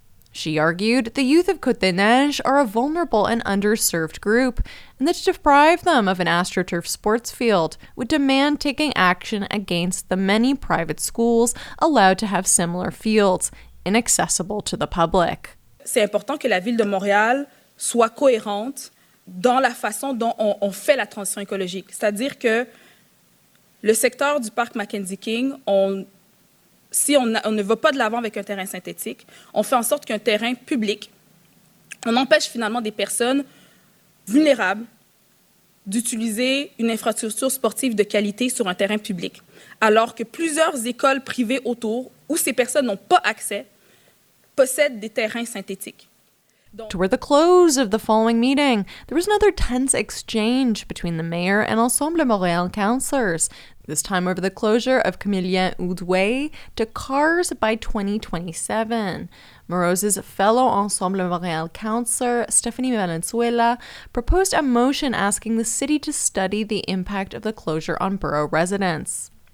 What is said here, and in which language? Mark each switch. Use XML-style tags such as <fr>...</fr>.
<en>She argued the youth of Côte des Neiges are a vulnerable and underserved group, and that to deprive them of an AstroTurf sports field would demand taking action against the many private schools allowed to have similar fields, inaccessible to the public.</en> <fr>C'est important que la ville de Montréal soit cohérente dans la façon dont on fait la transition écologique. C'est-à-dire que le secteur du parc Mackenzie King, Si on ne va pas de l'avant avec un terrain synthétique, on fait en sorte qu'un terrain public, on empêche finalement des personnes vulnérables d'utiliser une infrastructure sportive de qualité sur un terrain public. Alors que plusieurs écoles privées autour, où ces personnes n'ont pas accès, possèdent des terrains synthétiques.</fr> <en>Toward the close of the following meeting, there was another tense exchange between the mayor and Ensemble Montréal councillors, this time over the closure of Chemillien-Oudouy to cars by 2027. Moreau's fellow Ensemble Montréal councillor, Stephanie Valenzuela, proposed a motion asking the city to study the impact of the closure on borough residents.</en>